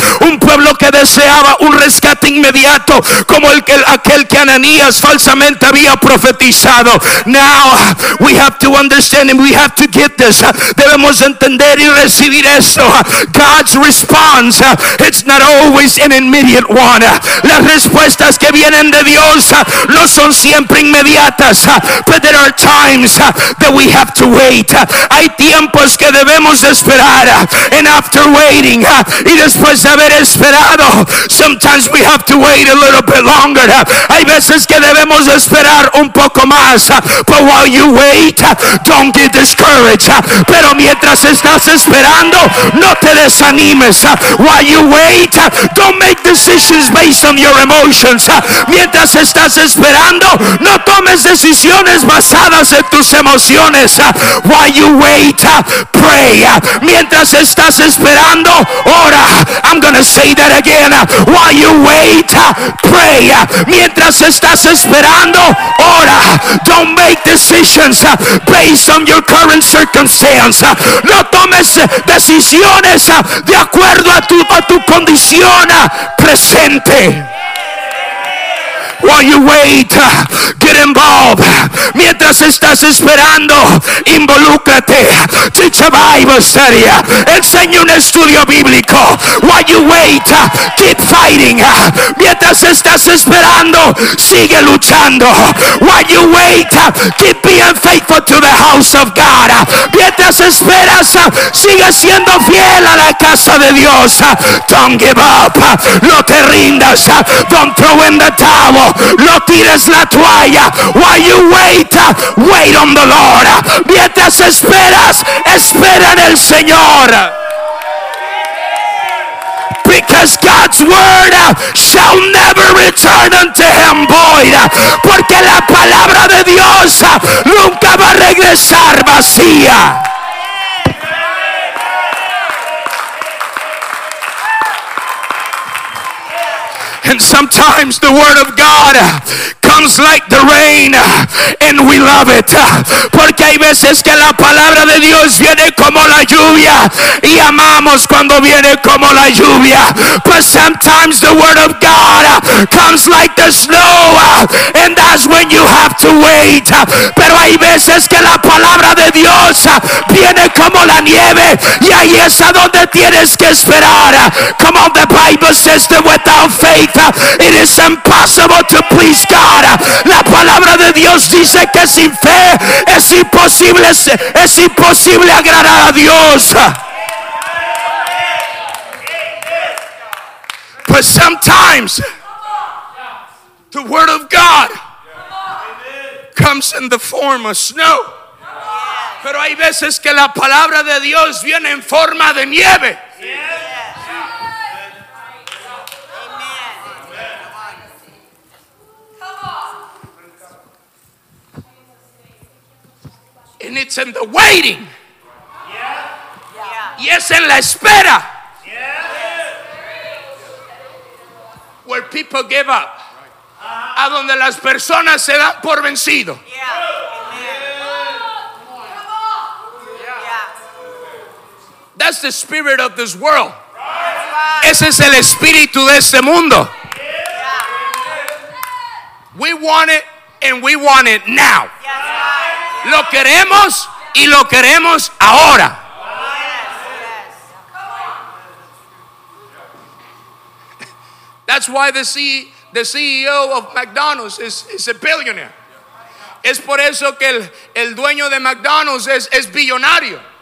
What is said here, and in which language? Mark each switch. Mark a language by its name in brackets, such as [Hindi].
[Spanish] Un pueblo que deseaba un rescate inmediato como aquel que Ananías falsamente había profetizado. [English] Now we have to understand and we have to get this. [Spanish] Debemos entender y recibir esto. [English] God's response, it's not always an immediate one. [Spanish] Las respuestas que vienen de Dios no son siempre inmediatas, [English] but there are times that we have to wait. [Spanish] Hay tiempos que debemos esperar, [English] and after waiting, [Spanish] y después de haber esperado, [English] sometimes we have to wait a little bit longer. [Spanish] Hay veces que debemos esperar un poco más. [English] But while you wait, don't get discouraged. [Spanish] Pero mientras estás esperando, no te desanimes. [English] While you wait, don't make decisions based on your emotions. [Spanish] Mientras estás esperando, no tomes decisiones basadas en tus emociones. [English] While you wait, pray. [Spanish] Mientras estás esperando, ora. [English] I'm gonna say that again. While you wait, pray. [Spanish] Mientras estás esperando, ora. [English] Don't make decisions based on your current circumstance. [Spanish] No tomes decisiones de acuerdo a tu condición presente. [English] While you wait, get involved. [Spanish] Mientras estás esperando, involúcrate. [English] Teach a Bible study. [Spanish] Enseña un estudio bíblico. [English] While you wait, keep fighting. [Spanish] Mientras estás esperando, luchando, sigue luchando. [English] While you wait, keep being faithful to the house of God. [Spanish] Mientras esperas, sigue siendo fiel a la casa de Dios. [English] Don't give up. [Spanish] No te rindas. [English] Don't throw in the towel. [Spanish] No tires la toalla. [English] While you wait, wait on the Lord. [Spanish] Mientras esperas, espera en el Señor. [English] Because God's word shall never return unto him void. [Spanish] Porque la palabra de Dios nunca va a regresar vacía. [English] And sometimes the word of God comes like the rain, and we love it. [Spanish] Porque hay veces que la palabra de Dios viene como la lluvia, y amamos cuando viene como la lluvia. [English] But sometimes the word of God comes like the snow, and that's when you have to wait. [Spanish] Pero hay veces que la palabra de Dios viene como la nieve, y ahí es a donde tienes que esperar. [English] Come on, the Bible says that without faith, it is impossible to please God. [Spanish] La palabra de Dios dice que sin fe es imposible agradar a Dios. [English] But sometimes the word of God comes in the form of snow. [Spanish] Pero hay veces que la palabra de Dios viene en forma de nieve. [English] And it's in the waiting. Yeah. Yeah. [Spanish] Y es en la espera. [English] Yeah. Where people give up. [Spanish] Uh-huh. A donde las personas se dan por vencido. [English] That's the spirit of this world. Right. [Spanish] Ese es el espíritu de este mundo. [English] Yeah. We want it and we want it now. [Spanish] Lo queremos y lo queremos ahora. [English] That's why the CEO of McDonald's is a billionaire. [Spanish] Es por eso que el dueño de McDonald's es billonario.